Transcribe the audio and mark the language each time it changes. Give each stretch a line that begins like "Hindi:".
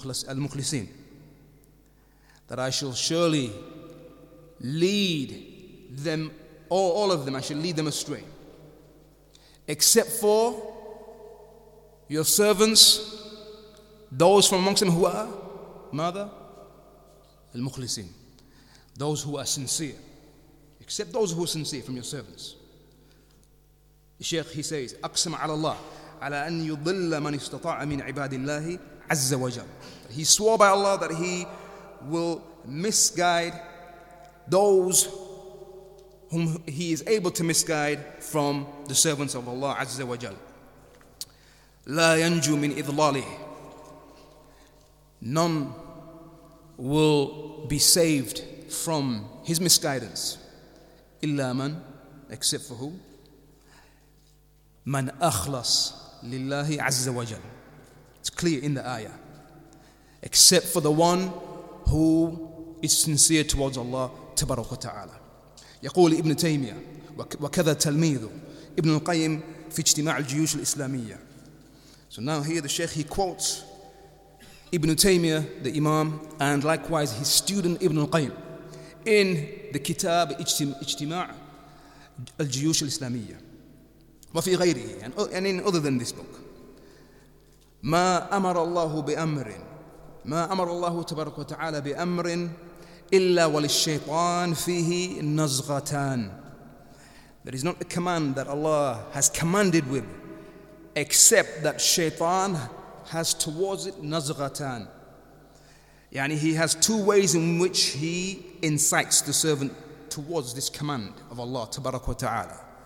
English: المخلصين, that I shall surely lead them, all of them, I shall lead them astray, except for your servants, those from amongst them who are, mother, al-mukhlisin, those who are sincere, except those who are sincere from your servants. The Shaykh, he says,
Arabic: أقسم على الله على أن يضل من استطاع من عباد الله عز وجل. He swore by Allah that he will misguide those whom he is able to misguide from the servants of Allah Azza wa Jal. La yanju min idlalih.
English: None will be saved from his misguidance.
Arabic: Illa man,
English: except for who?
Arabic: Man akhlas lillahi Azza wa Jal.
English: It's clear in the ayah. Except for the one who is sincere towards Allah تبارك وتعالى.
Arabic: يقول ابن تيمية وكذا تلميذه ابن القيم في اجتماع الجيوش الإسلامية.
English: So now here the Sheikh, he quotes Ibn Taymiyyah, the Imam, and likewise his student Ibn al-Qayyim in the Kitab Ijtima' al-Jiyush al-Islamiyyah.
Arabic: وفي غيره,
English: and in other than this book.
Arabic: ما أمر الله بأمر, ما أمر الله تبارك وتعالى بأمر إلا وللشيطان فيه نزغتان.
English: There is not a command that Allah has commanded with except that shaitan has towards it nazghatan. Yani he has two ways in which he incites the servant towards this command of Allah tabarak wa ta'ala.